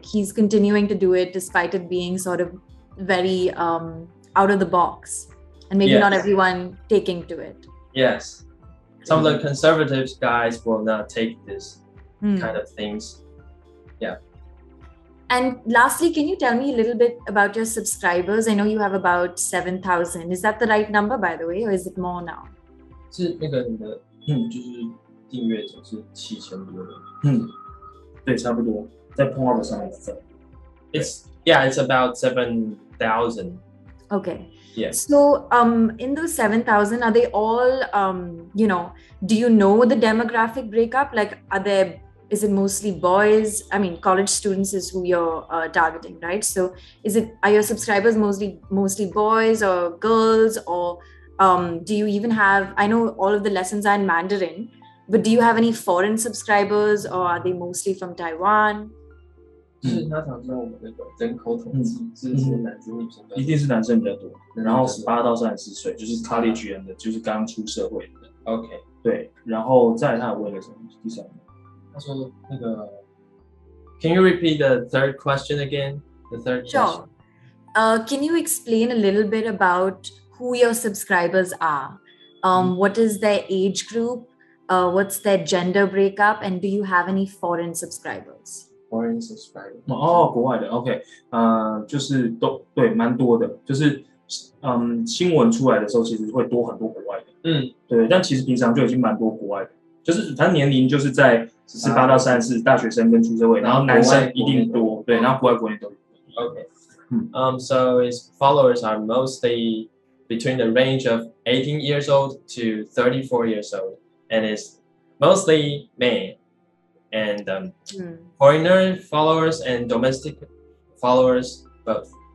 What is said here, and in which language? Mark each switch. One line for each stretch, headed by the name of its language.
English: He's continuing to do it despite it being sort of very out of the box, and maybe not everyone taking to it. Yes, some of the conservative guys will not take this kind of things. Yeah. And lastly, can you tell me a little bit about your subscribers? I know you have about 7,000. Is that the right number, by the way, or is it more now?
Chinese: 是那个你的，就是订阅总是7,000多。对，差不多在 Pornhub 上面是。
English: It's about 7,000. Okay. Yes. So, in those 7,000, are they all, you know, do you know the demographic breakup? Like, is it mostly boys? I mean, college students is who you're targeting, right? So, are your subscribers mostly boys or girls? Or do you even have, I know all of the lessons are in Mandarin, but do you have any foreign subscribers or are they mostly from Taiwan?
Chinese: 就是他常知道我们的人口统计是男生女生比较多，一定是男生比较多。然后18到34岁，就是 college 人的，就是刚出社会的。
English: OK，
Chinese: 对。然后再来他问了什么？第三个，他说那个
English: ，Can you repeat the third question again? The third question. Sure. Can you explain a little bit about who your subscribers are? What is their age group? What's their gender breakup? And do you have any foreign subscribers? Foreign subscriber
Chinese: 哦，国外的 ，OK， 就是都对，蛮多的，就是新闻出来的时候，其实会多很多国外的，对，但其实平常就已经蛮多国外的，就是他年龄就是在18到34，大学生跟出社会，然后男生一定多，对，然后国外国内都有
English: ，OK， so his followers are mostly between the range of 18 years old to 34 years old, and is mostly men. And foreigner followers and domestic followers, both.